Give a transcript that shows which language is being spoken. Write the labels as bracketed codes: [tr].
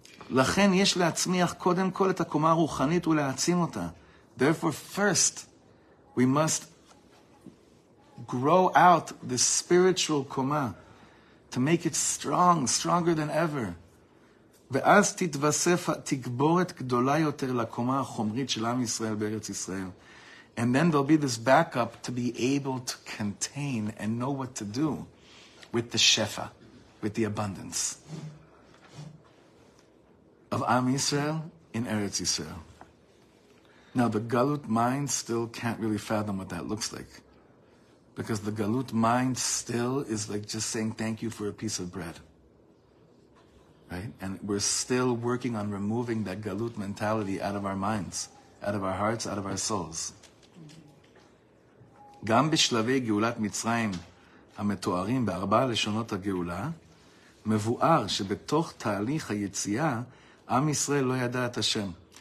[he] לכן יש להצמיח קודם כל את הקומה הרוחנית ולהעצים אותה. [en] Therefore, first, we must grow out the spiritual koma to make it strong, stronger than ever. [he] ואז תתווסף תגבורת גדולה יותר לקומה החומרית של עם ישראל בארץ ישראל. [en] And then there'll be this backup to be able to contain and know what to do with the shefa, with the abundance of Am Yisrael in Eretz Yisrael. Now the Galut mind still can't really fathom what that looks like. Because the Galut mind still is like just saying thank you for a piece of bread. Right? And we're still working on removing that Galut mentality out of our minds, out of our hearts, out of our souls. [he] גם בשלבי גאולת מצרים המתוארים בארבע לשונות הגאולה, מבואר שבתוך תהליך היציאה Am Yisrael lo yada et Hashem.